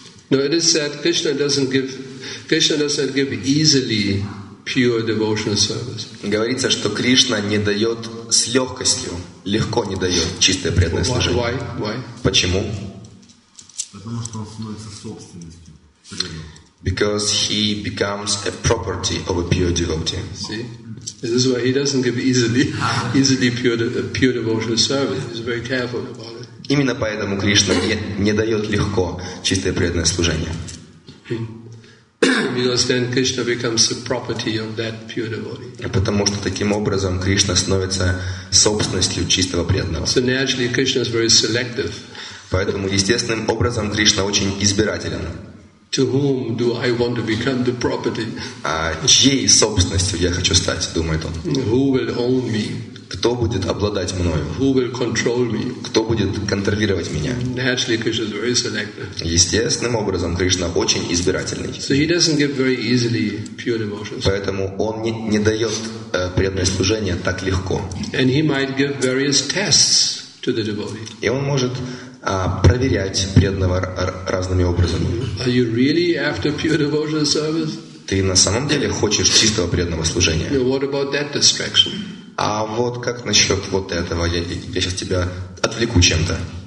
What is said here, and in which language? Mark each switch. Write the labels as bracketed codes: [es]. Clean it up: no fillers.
[en] No, it is said Krishna doesn't give easily pure devotional service. [ru] Говорится, что Кришна не дает с легкостью, легко не дает чистое преданное служение. [en] Why? [ru] Почему? Потому что он становится собственностью. [en] Because he becomes a property of a pure devotee. See? This is why he doesn't give easily pure devotional service. He's very careful about it. [ru] Именно поэтому Кришна не дает легко чистое преданное служение. [en] Because then Krishna becomes the property of that pure devotee. [ru] Потому что таким образом Кришна становится собственностью чистого преданного. [en] So naturally Krishna is very selective. [ru] Поэтому естественным образом Кришна очень избирателен. [en] To whom do I want to become the property? [ru] А чьей собственностью я хочу стать, думает он. [en] Who will own me? [ru] Кто будет обладать мною? [en] Who will control me? [ru] Кто будет контролировать меня? [en] Naturally, Krishna is very selective. [ru] Естественным образом, Кришна очень избирательный. [en] So he doesn't give very easily pure devotions. [ru] Поэтому он не дает преданное служение так легко. [en] And he might give various tests to the devotee. [ru] И он может проверять преданного разными образами. [en] Are you really after pure devotional service? [ru] Ты на самом деле хочешь чистого преданного служения? [en] You know, what about that distraction? [ru] А вот как насчет вот этого? Я сейчас тебя отвлеку чем-то.